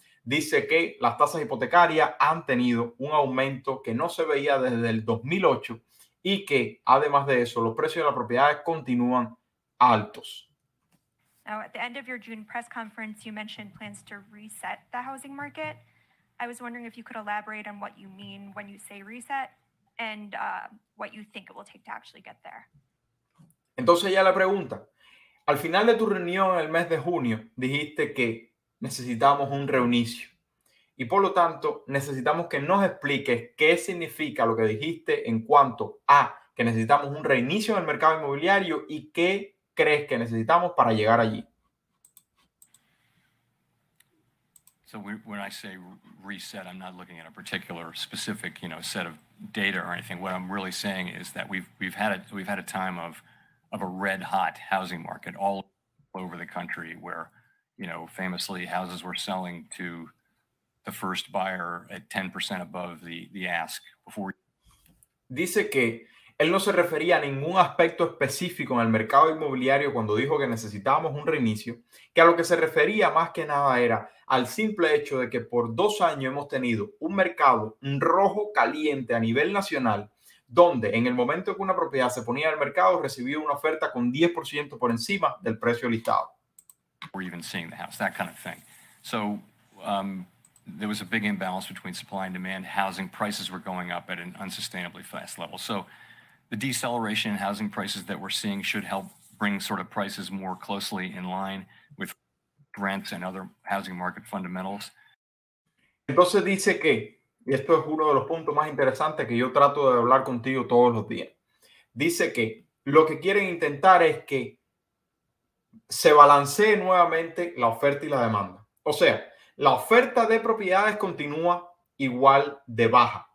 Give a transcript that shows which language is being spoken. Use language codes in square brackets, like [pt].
[es] Dice que las tasas hipotecarias han tenido un aumento que no se veía desde el 2008 y que además de eso, los precios de las propiedades continúan altos. [en] Now, at the end of your June press conference, you mentioned plans to reset the housing market. I was wondering if you could elaborate on what you mean when you say reset and what you think it will take to actually get there. [es] Entonces ya la pregunta, al final de tu reunión en el mes de junio, dijiste que necesitamos un reinicio y por lo tanto necesitamos que nos expliques qué significa lo que dijiste en cuanto a que necesitamos un reinicio en el mercado inmobiliario y qué crees que necesitamos para llegar allí. [en] So when I say reset, I'm not looking at a particular specific, you know, set of data or anything. What I'm really saying is that we've had a time of a red hot housing market all over the country where, you know, famously houses were selling to the first buyer at 10% above the ask before. [es] Dice que él no se refería a ningún aspecto específico en el mercado inmobiliario cuando dijo que necesitábamos un reinicio, que a lo que se refería más que nada era al simple hecho de que por 2 años hemos tenido un mercado rojo caliente a nivel nacional, donde en el momento que una propiedad se ponía al mercado recibía una oferta con 10% por encima del precio listado. [en] Or even seeing the house, that kind of thing. So there was a big imbalance between supply and demand. Housing prices were going up at an unsustainably fast level. So the deceleration in housing prices that we're seeing should help bring sort of prices more closely in line with rents and other housing market fundamentals. [es] Entonces dice que, y esto es uno de los puntos más interesantes que yo trato de hablar contigo todos los días. Dice que lo que quieren intentar es que se balancee nuevamente la oferta y la demanda. O sea, la oferta de propiedades continúa igual de baja.